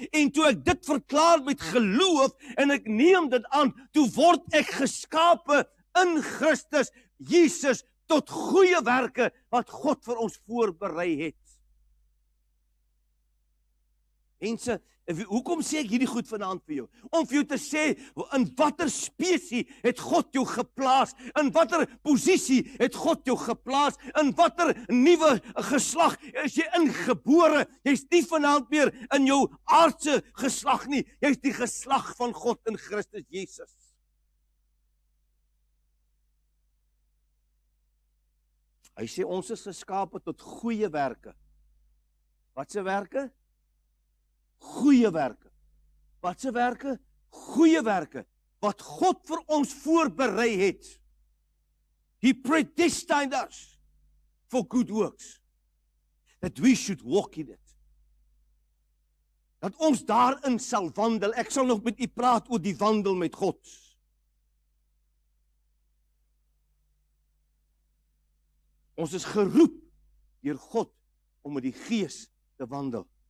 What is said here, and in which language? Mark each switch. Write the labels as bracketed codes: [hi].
[af] En toe ek dit verklaar met geloof en ek neem dit aan, toe word ek geskape in Christus Jesus tot goeie werke wat God vir ons voorberei het. Mense, hoekom sê ek hierdie goed vanaand vir jou? Om vir jou te sê, in watter spesie het God jou geplaas? In watter posisie het God jou geplaas? In watter nuwe geslag is jy ingebore? Jy's nie vanaand meer in jou aardse geslag nie. Jy's die geslag van God in Christus Jesus. Hy sê, ons is geskape tot goeie werke. Watse werke? Goeie werke. Watse werke? Goeie werke wat God vir ons voorberei het. [en] He predestined us for good works, that we should walk in it. [af] Dat ons daarin sal wandel. Ek sal nog met u praat oor die wandel met God. Ons is geroep deur God om met die Gees te wandel.